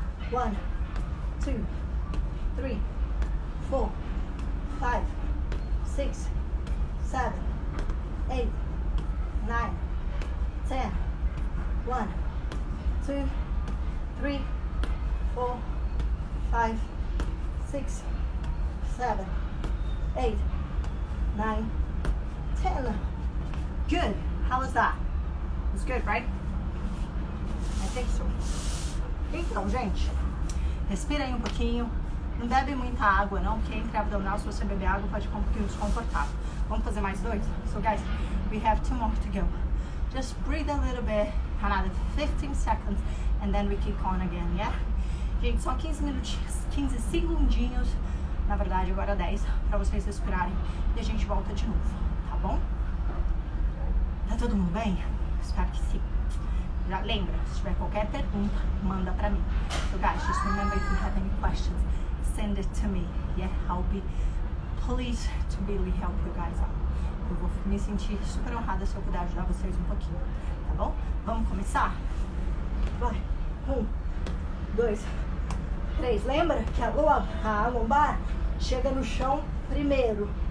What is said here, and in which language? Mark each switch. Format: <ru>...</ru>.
<en>1, 2, 3, 4, 5, 6, 7, 8, 9, 10, 1, 2, 3, 4, 5, 6, 7, 8, 9, 10. Good. How was that? It's good, right? I think so.</en> <pt>Então, gente, respira aí um pouquinho. Não bebe muita água, não, porque entre abdominal, se você beber água, pode ficar um pouquinho desconfortável. Vamos fazer mais dois?</pt> <en>So, guys, we have two more to go. Just breathe a little bit, another 15 seconds, and then we kick on again, yeah?</en> <pt>Gente, só 15 minutinhos, 15 segundinhos, na verdade, agora 10, pra vocês respirarem, e a gente volta de novo, tá bom? Tá todo mundo bem? Espero que sim. Já lembra, se tiver qualquer pergunta, manda pra mim.</pt> <en>So, guys, just remember if you have any questions, send it to me, yeah, I'll be pleased to really help you guys out.</en> <pt>Eu vou me sentir super honrada se eu puder ajudar vocês um pouquinho, tá bom? Vamos começar? Vai, 1, 2, 3. Lembra que a lombar chega no chão primeiro.</pt>